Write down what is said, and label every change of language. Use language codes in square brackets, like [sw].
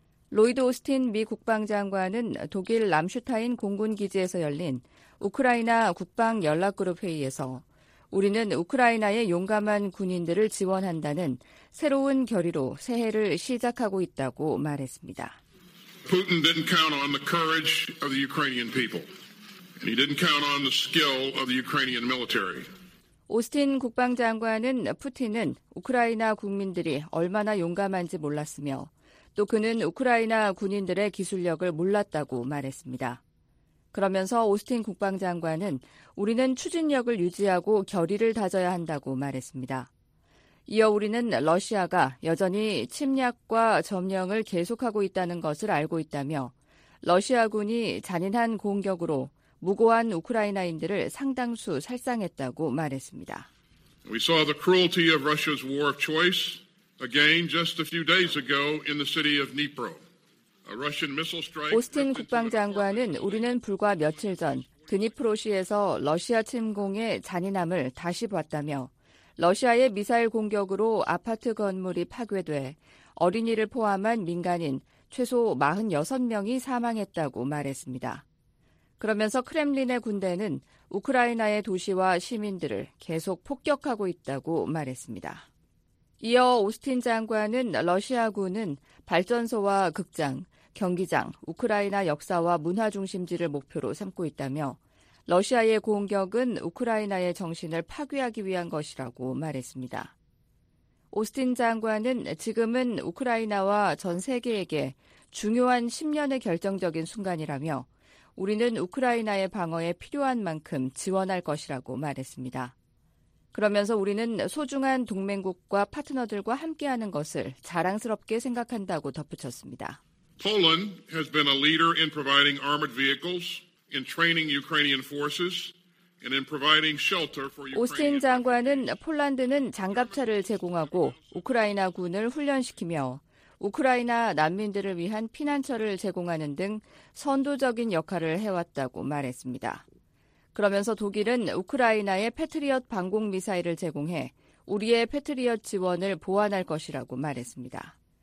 [ko] 로이드 오스틴 미 국방장관은 독일 람슈타인 공군기지에서 열린 우크라이나 국방연락그룹 회의에서 우리는 우크라이나의 용감한 군인들을 지원한다는 새로운 결의로 새해를 시작하고 있다고 말했습니다. [en] Putin didn't count on the courage of the Ukrainian people. And he didn't count on the skill of the Ukrainian military. [ko] 오스틴 국방장관은 푸틴은 우크라이나 국민들이 얼마나 용감한지 몰랐으며 또 그는 우크라이나 군인들의 기술력을 몰랐다고 말했습니다. 그러면서 오스틴 국방장관은 우리는 추진력을 유지하고 결의를 다져야 한다고 말했습니다. 이어 우리는 러시아가 여전히 침략과 점령을 계속하고 있다는 것을 알고 있다며 러시아군이 잔인한 공격으로 무고한 우크라이나인들을 상당수 살상했다고 말했습니다. [en] We saw the cruelty of Russia's war of choice again just a few days ago in the city of Dnipro. A Russian missile strike. [ko] 오스틴 국방장관은 우리는 불과 며칠 전 드니프로시에서 러시아 침공의 잔인함을 다시 봤다며 러시아의 미사일 공격으로 아파트 건물이 파괴돼 어린이를 포함한 민간인 최소 46명이 사망했다고 말했습니다. 그러면서 크렘린의 군대는 우크라이나의 도시와 시민들을 계속 폭격하고 있다고 말했습니다. 이어 오스틴 장관은 러시아군은 발전소와 극장, 경기장, 우크라이나 역사와 문화 중심지를 목표로 삼고 있다며 러시아의 공격은 우크라이나의 정신을 파괴하기 위한 것이라고 말했습니다. 오스틴 장관은 지금은 우크라이나와 전 세계에게 중요한 10년의 결정적인 순간이라며 우리는 우크라이나의 방어에 필요한 만큼 지원할 것이라고 말했습니다. 그러면서 우리는 소중한 동맹국과 파트너들과 함께하는 것을 자랑스럽게 생각한다고 덧붙였습니다. [en] Poland has been a leader in providing armored vehicles, in training Ukrainian forces, and in providing shelter for Ukraine. [ko] 오스틴 장관은 폴란드는 장갑차를 제공하고 우크라이나 군을 훈련시키며 우크라이나 난민들을 위한 피난처를 제공하는 등 선도적인 역할을 해왔다고 말했습니다. 그러면서 독일은 우크라이나에 패트리엇 방공미사일을 제공해 우리의 패트리엇 지원을 보완할 것이라고 말했습니다.